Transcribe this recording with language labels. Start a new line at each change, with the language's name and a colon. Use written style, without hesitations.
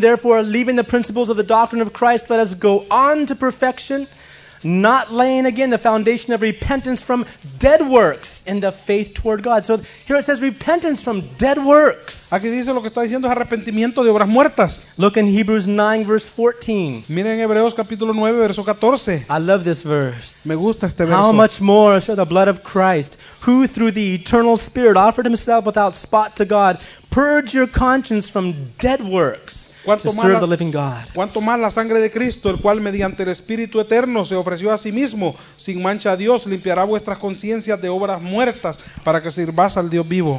English: Therefore, leaving the principles of the doctrine of Christ, let us go on to perfection, not laying again the foundation of repentance from dead works and of faith toward God. So here it says repentance from dead works.
Spanish: Aquí dice lo que está diciendo es arrepentimiento de obras muertas.
English: Look in Hebrews 9 verse 14.
Spanish: Miren Hebreos capítulo 9 verso 14.
English: I love this verse.
Spanish: Me gusta este verso.
English: How much more shall the blood of Christ, who through the eternal Spirit offered Himself without spot to God, purge your conscience from dead works?
Spanish: Cuanto
English: to serve the living God.
Spanish: Cuanto más la sangre de Cristo, el cual mediante el Espíritu eterno se ofreció a sí mismo, sin mancha a Dios, limpiará vuestras conciencias de obras muertas para que sirvas al Dios vivo.